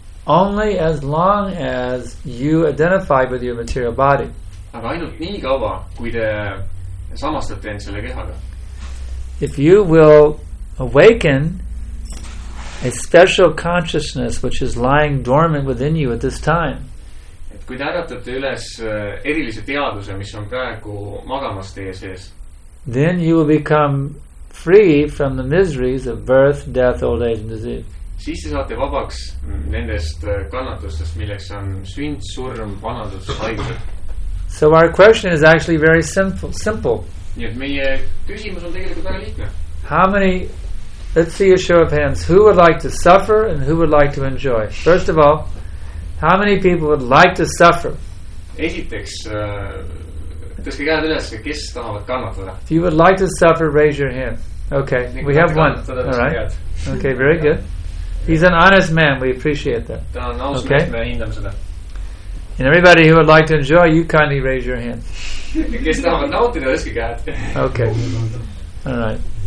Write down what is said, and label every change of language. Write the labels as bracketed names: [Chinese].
[English] Only as long as you identify with your material body. [Estonian] Aga ainult nii kaua, kui te samastate end selle kehaga. [English] If you will awaken a special consciousness which is lying dormant within you at this time. [Estonian] Et kui te äratate üles erilise teaduse, mis on praegu magamas teie sees. [English] Then you will become free from the miseries of birth, death, old age and disease. [Estonian] Siis te saate vabaks nendest kannatustest, milleks on sünd, surm, vanadus, haigused. [English] So our question is actually very simple. [Estonian] Nii et meie küsimus on tegelikult väga lihtne. [English] How many, let's see a show of hands, who would like to suffer and who would like to enjoy? First of all, how many people would like to suffer? [Estonian] Esiteks, tõske käed üles, kes tahavad kannatada? [English] If you would like to suffer, raise your hand. Okay, we have one. All right. Okay, very good. He's an honest man, we appreciate that. [Estonian] Okay. Me hindame seda. [English] And everybody who would like to enjoy, you kindly raise your hand. Okay. All right.